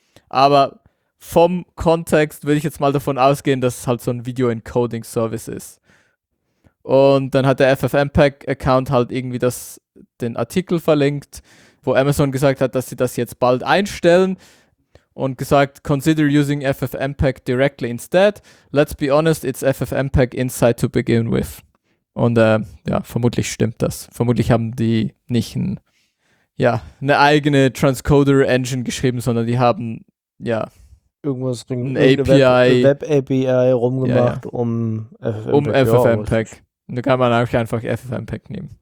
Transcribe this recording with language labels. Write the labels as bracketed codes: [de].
[de] Aber vom Kontext würde ich jetzt mal davon ausgehen, dass es halt so ein Video-Encoding-Service ist. Und dann hat der FFmpeg-Account halt irgendwie den Artikel verlinkt, wo Amazon gesagt hat, dass sie das jetzt bald einstellen und gesagt, [en] consider using FFmpeg directly instead. Let's be honest, it's FFmpeg inside to begin with. [de] Und ja, vermutlich stimmt das. Vermutlich haben die nicht eine eigene Transcoder-Engine geschrieben, sondern die haben, ja, irgendwas ein API, Web-API rumgemacht, um FFmpeg. Und da kann man eigentlich einfach FFmpeg nehmen.